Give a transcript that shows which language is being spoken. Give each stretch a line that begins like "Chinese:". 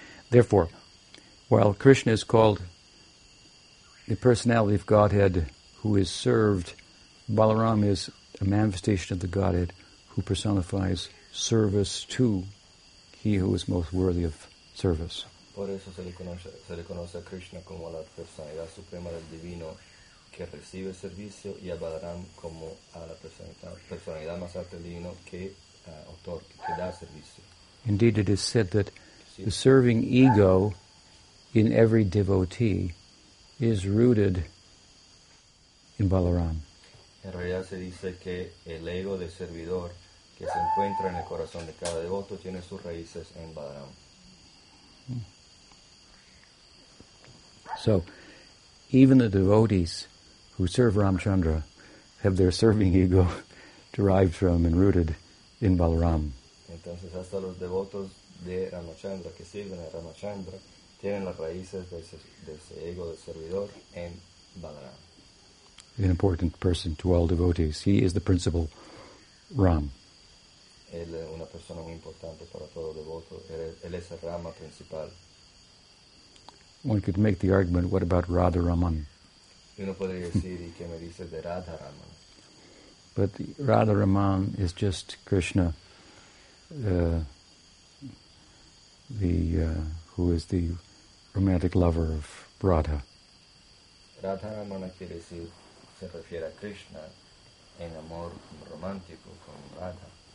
English: Therefore, while Krishna is called the personality of Godhead who is served, Balaram is a manifestation of the Godhead who personifies service to he who is most worthy of service.
Spanish: Por eso se reconoce a Krishna como la personalidad suprema del divino que recibe servicio y a Balaram como a la personalidad más alta del divino que otorga, que da servicio.
English: Indeed, it is said that the serving ego in every devotee is rooted in Balaram.
Spanish: En realidad se dice que el ego de servidor que se encuentra en el corazón de cada devoto tiene sus raíces en Balaram.
English: So, even the devotees who serve Ramchandra have their serving ego derived from and rooted in Balaram.
Spanish: Entonces, hasta los devotos de Ramchandra que sirven a Ramchandra tienen las raíces de ese ego del servidor en Balaram.
English: An important person to all devotees. He is the principal Ram.
Spanish: Él es una persona muy importante para todo devoto. Él es el Rama principal.
English: One could make the argument, what about Radharaman?
Spanish: Uno podría decir, ¿y qué me dices de Radharaman?
English: But Radharaman is just Krishna, who is the romantic lover of Radha.
Spanish: Radharaman quiere decir, se refiere a Krishna en amor romántico con Radha.